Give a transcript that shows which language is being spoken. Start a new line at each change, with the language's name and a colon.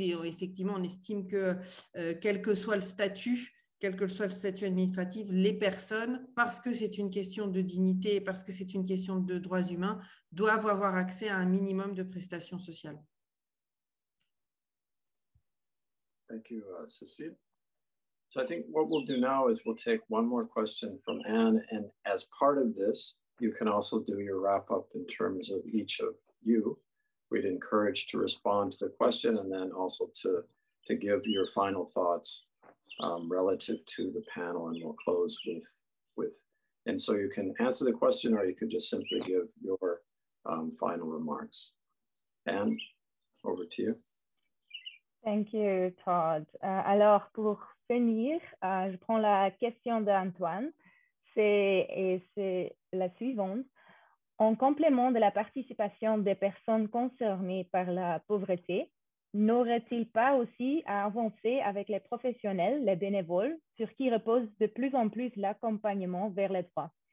French: Et effectivement, on estime que quel que soit le statut administratif, les personnes, parce que c'est une question de dignité, parce que c'est une question de droits humains, doivent avoir accès à un minimum de prestations sociales.
English: Thank you, Cécile. So I think what we'll do now is we'll take one more question from Anne, and as part of this, you can also do your wrap-up in terms of each of you. We'd encourage to respond to the question and then also to give your final thoughts relative to the panel, and we'll close with, and so you can answer the question or you could just simply give your final remarks. Anne, over to you. Thank you, Todd.
French: Alors, pour finir, je prends la question d'Antoine. C'est la suivante. En complément de la participation des personnes concernées par la pauvreté, n'aurait-il pas aussi à avancer avec les professionnels, les bénévoles, sur qui repose de plus en plus l'accompagnement vers les droits?